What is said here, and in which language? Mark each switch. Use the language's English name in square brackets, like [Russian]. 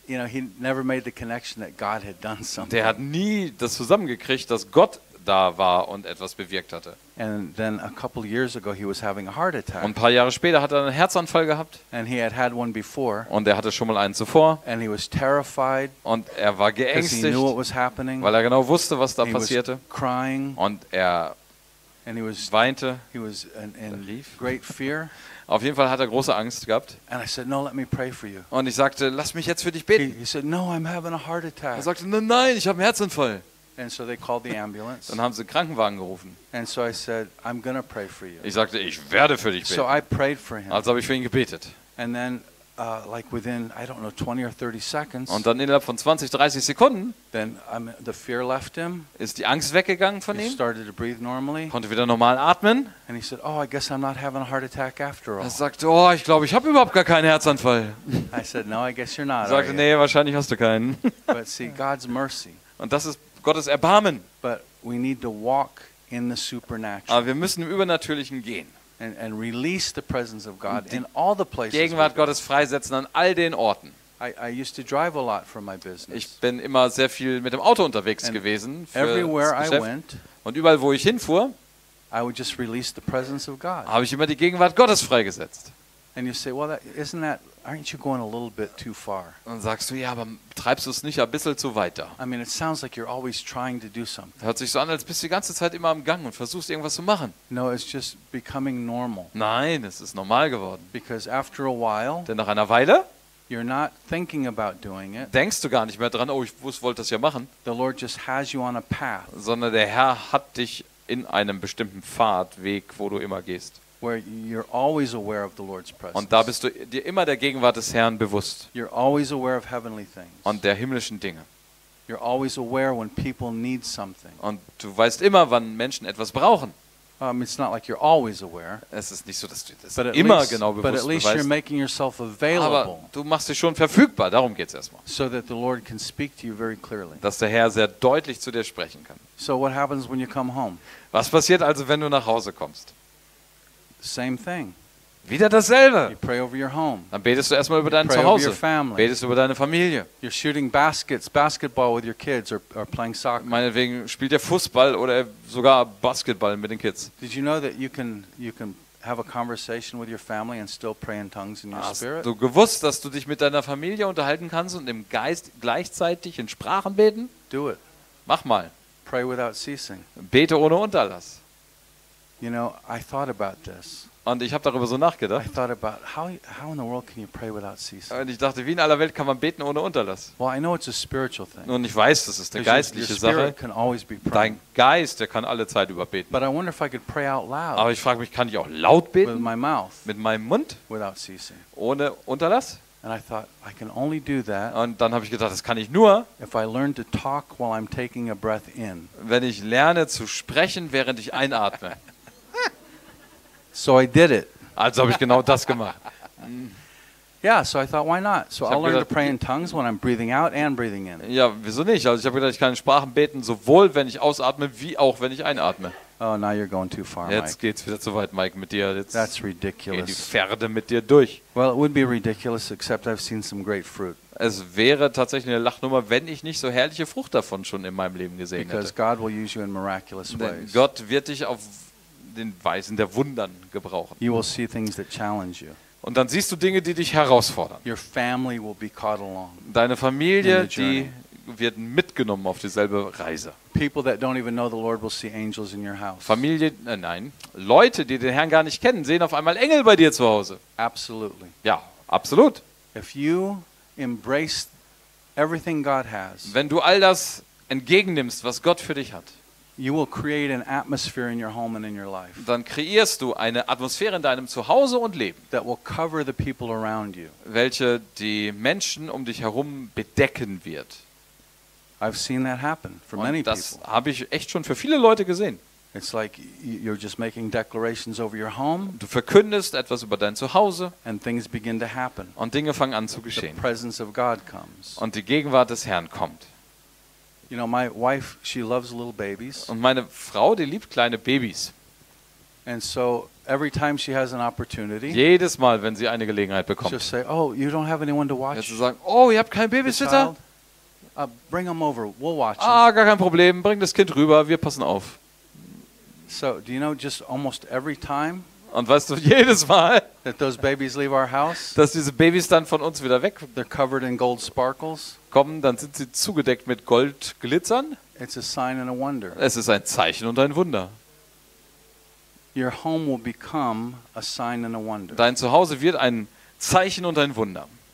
[English] You know, he never made the connection that God had done something. [German] Der hat nie das zusammengekriegt, dass Gott da war und etwas bewirkt hatte. [English] And then a couple years ago he was having a heart attack. [German] Und ein paar Jahre später hat er einen Herzanfall gehabt. [English] And he had had one before. [German] Und er hatte schon mal einen zuvor. [English] And he was terrified. [German] Und er war geängstigt. [English] He knew what was happening. [German] Weil er genau wusste, was da passierte. [English] He was crying. [German] Und er weinte. [English] He was in great fear. [German] Auf jeden Fall hat er große Angst gehabt. [English] And I said, "No, let me pray for you." [German] Und ich sagte, lass mich jetzt für dich beten. [English] He said, "No, I'm having a heart attack." [German] Er sagte, nein, nein, ich habe einen Herzanfall. [English] And so they called the ambulance. [German] Dann haben sie einen Krankenwagen gerufen. [English] And so I said, "I'm gonna pray for you." [German] Ich sagte, ich werde für dich beten. [English] So I prayed for him. [German] Also habe ich für ihn gebetet. [English] And then, like within, I don't know, 20 or 30 seconds. [German] Und dann innerhalb von 20, 30 Sekunden. [English] Then the fear left him. [German] Ist die Angst weggegangen von [English] he [German] ihm? [English] He started to breathe normally. [German] Konnte wieder normal atmen. [English] And he said, "Oh, I guess I'm not having a heart attack after all." [German] Er sagte, oh, ich glaube, ich habe überhaupt gar keinen Herzanfall. [English] I said, "No, I guess you're not." [German] Er sagte, nee, wahrscheinlich hast du keinen. [English] But see, God's mercy. [German] Und das ist Gottes Erbarmen. [English] But we need to walk in the supernatural. [German] Aber wir müssen im Übernatürlichen gehen. [English] And release the presence of God in all the places. [German] Gegenwart Gottes freisetzen an all den Orten. [English] I used to drive a lot for my business. [German] Ich bin immer sehr viel mit dem Auto unterwegs gewesen. [English] Everywhere I went. [German] Und überall, wo ich hinfuhr, [English] I would just release the presence of God. [German] Habe ich immer die Gegenwart Gottes freigesetzt. [English] And you say, well, that, isn't that, aren't you going a little bit too far? [German] Und sagst du, ja, aber treibst du es nicht ein bisschen zu weiter? [English] I mean, it sounds like you're always trying to do something. [German] Hört sich so an, als bist du die ganze Zeit immer am Gang und versuchst irgendwas zu machen. [English] No, it's just becoming normal. [German] Nein, es ist normal geworden. [English] Because after a while, [German] denn nach einer Weile, [English] you're not thinking about doing it. [German] Denkst du gar nicht mehr dran, oh, ich wollte das ja machen. [English] The Lord just has you on a path. [German] Sondern der Herr hat dich in einem bestimmten Pfad, Weg, wo du immer gehst. [English] Where you're always aware of the Lord's presence. [German] Und da bist du dir immer der Gegenwart des Herrn bewusst. [English] You're always aware of heavenly things. [German] Und der himmlischen Dinge. [English] You're always aware when people need something. [German] Und du weißt immer, wann Menschen etwas brauchen. [English] It's not like you're always aware. [German] Es ist nicht so, dass du das immer genau bewusst weißt. [English] But at least you're making yourself available. [German] Aber du machst dich schon verfügbar, darum geht's erstmal. [English] So that the Lord can speak to you very clearly. [German] Dass der Herr sehr deutlich zu dir sprechen kann. [English] So what happens when you come home? [German] Was passiert also, wenn du nach Hause kommst? [English] Same thing. [German] Wieder dasselbe. [English] You pray over your home. [German] Dann betest du erstmal über dein Zuhause. [English] Over your family. [German] Betest du über deine Familie. [English] You're shooting baskets, basketball with your kids or playing soccer. [German] Meinetwegen spielt ihr Fußball oder sogar Basketball mit den Kids. [English] Did you know that you can have a conversation with your family and still pray in tongues in your spirit? [German] Hast du gewusst, dass du dich mit deiner Familie unterhalten kannst und im Geist gleichzeitig in Sprachen beten? [English] Do it. [German] Mach mal. [English] Pray without ceasing. [German] Bete ohne Unterlass. [English] You know, I thought about this. [German] Und ich habe darüber so nachgedacht. [English] I thought about how in the world can you pray without ceasing? [German] Und ich dachte, wie in aller Welt kann man beten ohne Unterlass? [English] Well, I know it's a spiritual thing. [German] Und ich weiß, das ist eine geistliche Sache. [English] Can always be praying. [German] Dein Geist, der kann alle Zeit über beten. [English] But I wonder if I could pray out loud. [German] Aber ich frage mich, kann ich auch laut beten? [English] With my mouth. [German] Mit meinem Mund? [English] Without ceasing. [German] Ohne Unterlass? [English] And I thought, I can only do that. [German] Und dann habe ich gedacht, das kann ich nur, [English] if I learn to talk while I'm taking a breath in. [German] Wenn ich lerne zu sprechen, während ich einatme. [English] So I did it. [German] Also habe ich genau das gemacht. [English] Yeah, so I thought, why not? So I'll learn to pray in tongues when I'm breathing out and breathing in. [German] Ja, wieso nicht? Also ich habe gedacht, ich kann in Sprachen beten, sowohl wenn ich ausatme, wie auch wenn ich einatme. [English] Oh, now you're going too far, Mike. [German] Jetzt geht's wieder zu weit, Mike, mit dir. Jetzt [English] that's ridiculous. [German] Geh die Pferde mit dir durch. [English] Well, it would be ridiculous, except I've seen some great fruit. [German] Es wäre tatsächlich eine Lachnummer, wenn ich nicht so herrliche Frucht davon schon in meinem Leben gesehen [English] because [German] hätte. [English] Because God will use you in miraculous ways. [German] Denn Gott wird dich auf den Weisen der Wundern gebrauchen. [English] You will see things that challenge you. [German] Und dann siehst du Dinge, die dich herausfordern. [English] Your family will be caught along. [German] Deine Familie, die wird mitgenommen auf dieselbe Reise. [English] People that don't even know the Lord will see angels in your house. [German] Familie, nein, Leute, die den Herrn gar nicht kennen, sehen auf einmal Engel bei dir zu Hause. [English] Absolutely. [German] Ja, absolut. [English] If you embrace everything God has. [German] Wenn du all das entgegennimmst, was Gott für dich hat. [English] You will create an atmosphere in your home and in your life. [German] Dann kreierst du eine Atmosphäre in deinem Zuhause und Leben. [English] That will cover the people around you. [German] Welche die Menschen um dich herum bedecken wird. [English] I've seen that happen for [German] und [English] many people. [German] Das habe ich echt schon für viele Leute gesehen. [English] It's like you're just making declarations over your home. [German] Du verkündest etwas über dein Zuhause. [English] And things begin to happen. [German] Und Dinge fangen an zu geschehen. [English] The presence of God comes. [German] Und die Gegenwart des Herrn kommt. [English] You know, my wife, she loves little babies. [German] Und meine Frau, die liebt kleine Babys. [English] And so every time she has an opportunity, [German] jedes Mal, wenn sie eine Gelegenheit bekommt, [English] she'll say, "Oh, you don't have anyone to watch." [German] Sie sagen, "Oh, ihr habt keinen Babysitter? [English] Bring them over. We'll watch them." [German] Ah, gar kein Problem. Bring das Kind rüber. Wir passen auf. [English] So, do you know, just almost every time. [German] Und weißt du, jedes Mal, [English] that those babies leave our house, [German] dass diese Babys dann von uns wieder weg, [English] they're covered in gold sparkles, [German] kommen, dann sind sie zugedeckt mit Goldglitzern. [English] It's a sign and a wonder. [German] Es ist ein Zeichen und ein Wunder. [English] Your home will become a sign and a wonder. [German] Dein Zuhause wird ein Zeichen und ein Wunder.